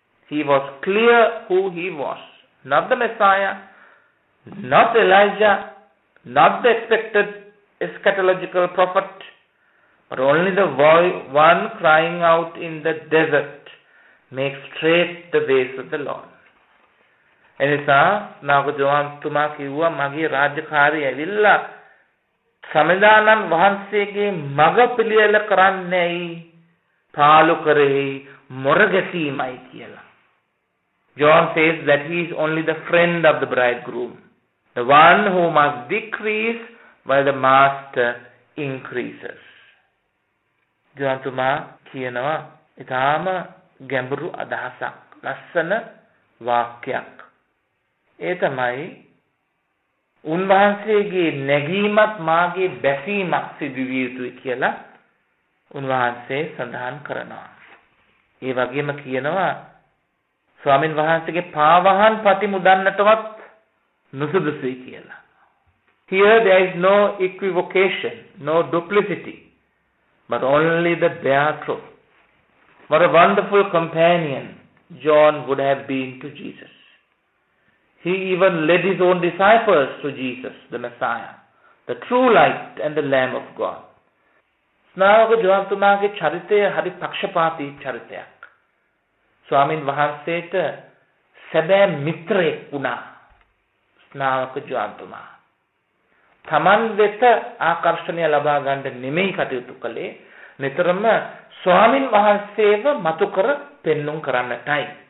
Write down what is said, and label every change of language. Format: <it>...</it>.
<en>He was clear who he was. Not the Messiah, not Elijah, not the expected eschatological prophet, but only the one crying out in the desert, make straight the ways of the Lord.</en> <si>එනිසා නාග ජවන්තුමා කිව්වා මගේ රාජකාරිය ඇවිල්ලා සමිදානන් වහන්සේගේ මග පිළියෙල කරන්නේයි පාලු කරේ මොරගැසීමයි කියලා.</si> <en>John says that he is only the friend of the bridegroom, the one who must decrease while the master increases.</en> <si>ජවන්තුමා කියනවා ඉතාම ගැඹුරු අදහසක් ලස්සන වාක්‍යයක්. ඒ තමයි උන්වහන්සේගේ නැගීමත් මාගේ බැසීමක් සිදු විය යුතුයි කියලා උන්වහන්සේ සඳහන් කරනවා. ඒ වගේම කියනවා ස්වාමින් වහන්සේගේ පාවහන් පති මුදන්නටවත් නුසුදුසුයි කියලා.</si> <en>Here there is no equivocation, no duplicity, but only the bare truth. What a wonderful companion John would have been to Jesus. He even led his own disciples to Jesus, the Messiah, the true light and the Lamb of God.</en> <si>ස්නාවක ජවන්තුමාගේ චරිතය හරි පක්ෂපාතී චරිතයක්. ස්වාමින් වහන්සේට සැබෑ මිත්‍රයෙක් වුණා ස්නාවක ජවන්තුමා. තමන් වෙත ආකර්ෂණය ලබා ගන්න නෙමෙයි කටයුතු කළේ, නිතරම ස්වාමින් වහන්සේව මතු කර පෙන්නුම් කරන්නටයි.</si>